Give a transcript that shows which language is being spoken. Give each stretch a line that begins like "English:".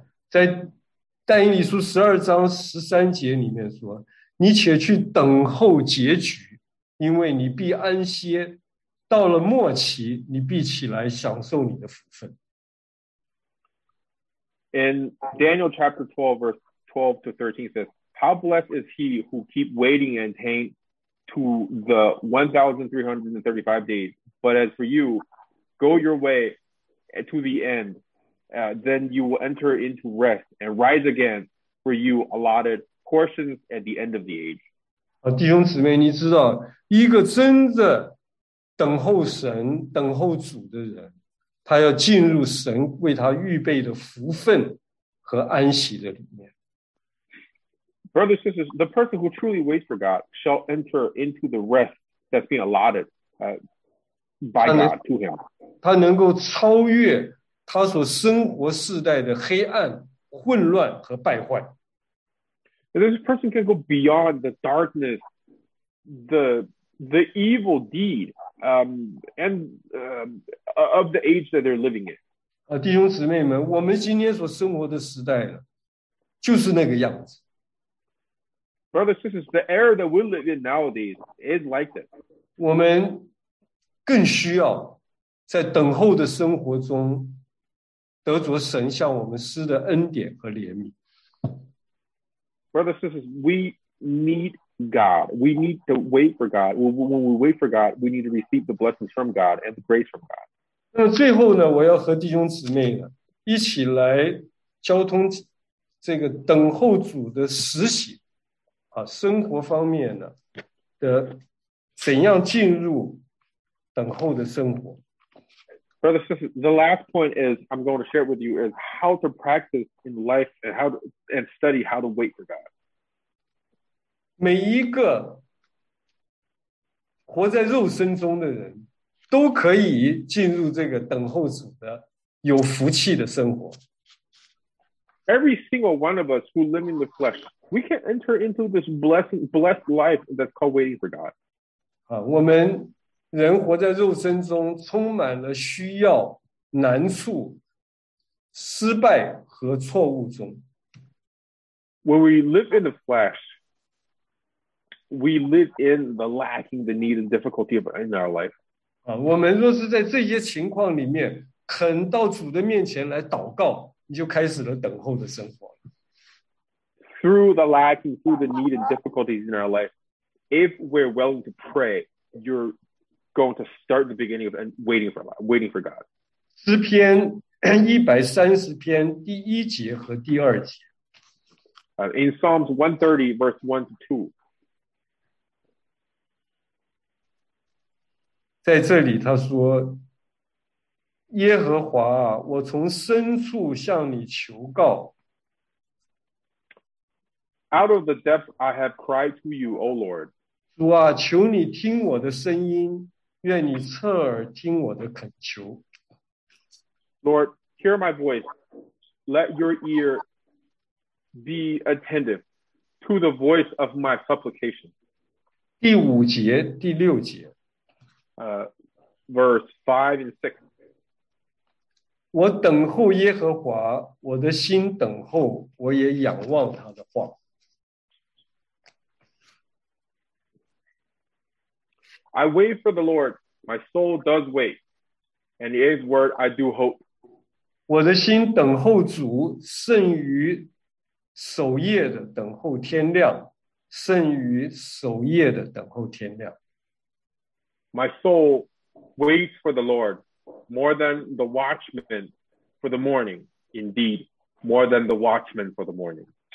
Chinese: 在但以理书12:13里面说，你且去等候结局，因为你必安歇，到了末期，你必起来享受你的福分。
English: In Daniel chapter 12:12-13 says, How blessed is he who keep waiting and attain to the 1,335 days. But as for you, go your way to the end. Then you will enter into rest and rise again for you allotted portions at the end of the age.
Chinese: 弟兄姊妹，你知道，一个真的等候神、等候主的人。他要进入神为他预备的福分和安息的里面。
English: Brothers and sisters, the person who truly waits for God shall enter into the rest that's being allotted by God to him.
Chinese: 他能够超越他所生活世代的黑暗、混乱和败坏。
English: This person can go beyond the darkness, the evil deed,of the age that they're living in.
Chinese: 弟兄姊妹们，我们今天所生活的时代呢，就是那个样子。
English: Brothers and sisters, the era that we live in nowadays is like this.
Chinese: 我们更需要在等候的生活中得得着神向我们施的恩典和怜悯。
English: Brothers and sisters, we need God. We need to wait for God. When we wait for God, we need to receive the blessings from God and the grace from God.
Chinese: 那最后呢，我要和弟兄姊妹呢一起来交通这个等候主的实习啊，生活方面呢的怎样进入等候的生活。
English: Brothers and sisters, the last point is I'm going to share with you is how to practice in life and how to, and study how to wait for God.
Chinese: 每一个活在肉身中的人都可以进入这个等候主的有福气的生活。
English: Every single one of us who live in the flesh, we can enter into this blessed life that's called waiting for God.
Chinese: 我们人活在肉身中充满了需要、难处、失败和错误中。
English: When we live in the flesh, we live in the lacking, the need and difficulty of, in our life.
Chinese: 我们若是在这些情况里面肯到主的面前来祷告，你就开始了等候的生活。
English: Through the lacking, through the need and difficulties in our life, if we're willing to pray, you're going to start the beginning of waiting for God.
Chinese: 诗篇130篇第一节和第二节。
English: In Psalms 130, verse 1 to 2.
Chinese: 在这里他说，耶和华，我从深处向你求告。
English: Out of the depth I have cried to you, O Lord.
Chinese: 主啊，求你听我的声音，愿你侧耳听我的恳求。
English: Lord, hear my voice. Let your ear be attentive to the voice of my supplication.
Chinese: 第五节，第六节。
English: Verse 5 and 6.
Chinese: 我等候耶和华，我的心等候，我也仰望他的话。
English: I wait for the Lord, my soul does wait, and his word I do hope.
Chinese: 我的心等候主，甚于守夜的等候天亮，甚于守夜的等候天亮。
English: My soul waits for the Lord, more than the watchman for the morning, indeed, more than the watchman for the morning.